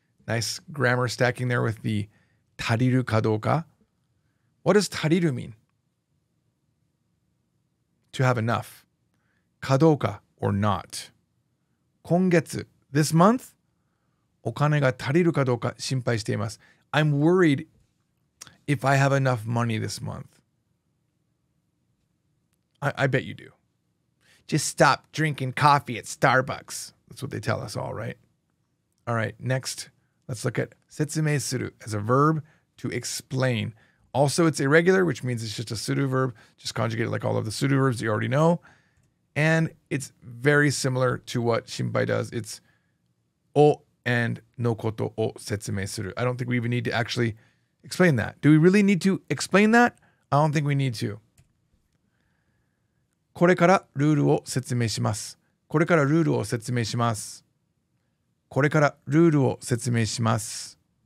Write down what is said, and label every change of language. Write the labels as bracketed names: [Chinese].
[English] Nice grammar stacking there with the [Japanese] 足りるかどうか。 [English] What does 足りる mean? To have enough. [Japanese] かどうか [English] or not. [Japanese] 今月 [English] this month, [Japanese] お金が足りるかどうか心配しています。 [English] I'm worried if I have enough money this month. I bet you do. Just stop drinking coffee at Starbucks. That's what they tell us all, right? All right, next, let's look at 説明する as a verb to explain. Also, it's irregular, which means it's just a pseudo verb, just conjugated like all of the pseudo verbs you already know. And it's very similar to what Shinpai does. It's o and no koto o setsumei suru. I don't think we even need to actually explain that. Do we really need to explain that? I don't think we need to. [Japanese] これからルールを説明します。これからルールを説明します。これからルールを説明します。